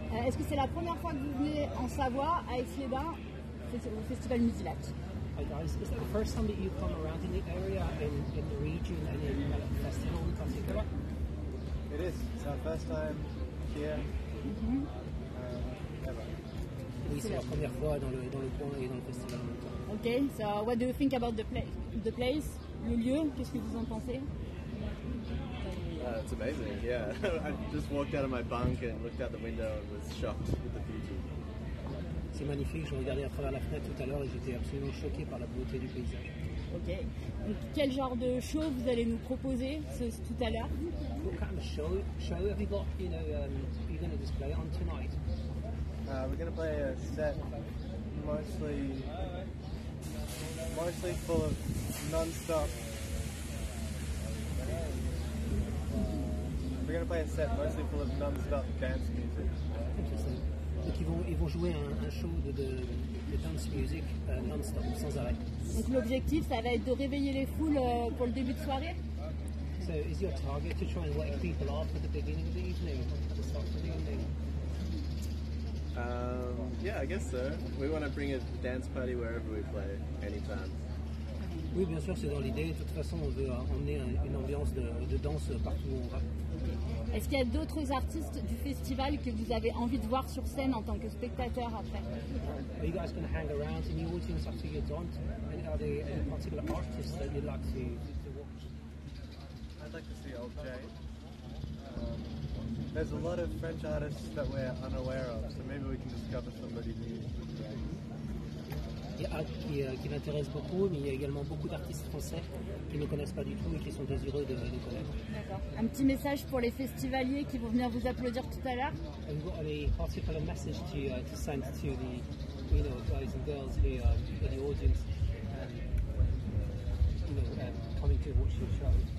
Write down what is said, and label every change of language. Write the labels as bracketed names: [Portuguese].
[French] Est-ce que c'est la première fois que vous venez en Savoie à Essiers-les-Bains au festival Musilac? [English] Is that the first time that you've come around in the area, in the region, and in the festival in particular? It is. It's our first time here. Ever. [French] Oui, c'est la première fois dans le coin et dans le festival. [English] Okay. So, what do you think about the place, [French] le lieu? Qu'est-ce que vous en pensez? [English] It's amazing. Yeah. I just walked out of my bunk and looked out the window and was shocked with the beauty. [French] C'est magnifique, je regardais à travers la fenêtre tout à l'heure et j'étais absolument choqué par la beauté du paysage. Ok, donc quel genre de show vous allez nous proposer tout à l'heure? [English] What kind of show have you got, you're going to display on tonight? We're going to play a set mostly full of non-stop. We're going to play a set mostly full of non-stop dance music. Interesting. [French] Donc ils vont jouer un show de dance music non-stop, sans arrêt. Donc l'objectif, ça va être de réveiller les foules pour le début de soirée. [English] So is your target to try and wake people up at the beginning of the evening, at the start of the evening? Yeah, I guess so. We want to bring a dance party wherever we play, anytime. [French] Oui, bien sûr, c'est dans l'idée. De toute façon, on veut emmener une ambiance de danse partout où on va. Est-ce qu'il y a d'autres artistes du festival que vous avez envie de voir sur scène en tant que spectateur après? [English] Are you guys going to hang around in the audience after you're done? Are there any particular artists that you'd like to watch? I'd like to see Old Jay. There's a lot of French artists that we're unaware of, so maybe we can discover somebody new. [French] Il y a qui m'intéresse beaucoup, mais il y a également beaucoup d'artistes français qui ne connaissent pas du tout et qui sont désireux de les connaître. D'accord. Un petit message pour les festivaliers qui vont venir vous applaudir tout à l'heure. [English] I've got a particular message to send to the, you know, guys and girls here in the audience, you know, coming to watch your show.